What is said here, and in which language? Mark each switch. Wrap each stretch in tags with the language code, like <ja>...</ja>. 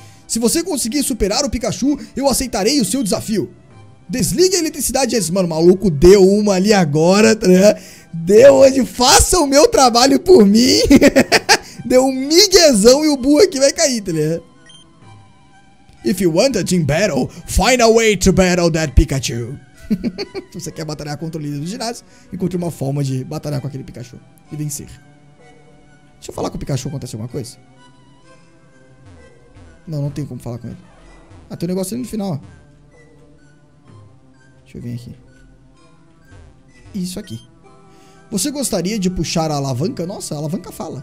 <pt>Se você conseguir superar o Pikachu, eu aceitarei o seu desafio. Desligue a eletricidade. Mano, maluco, deu uma ali agora, né? Deu onde? Faça o meu trabalho por mim. Deu um miguezão e o burro aqui vai cair, tá ligado?</pt> <en>If you want a team battle, find a way to battle that Pikachu.</en> <pt>Se você quer batalhar contra o líder do ginásio, encontre uma forma de batalhar com aquele Pikachu e vencer. Deixa eu falar com o Pikachu, acontece alguma coisa? Não, não tenho como falar com ele. Ah, tem um negócio ali no final, ó. Deixa eu vir aqui. Isso aqui. Você gostaria de puxar a alavanca? Nossa, a alavanca fala.</pt>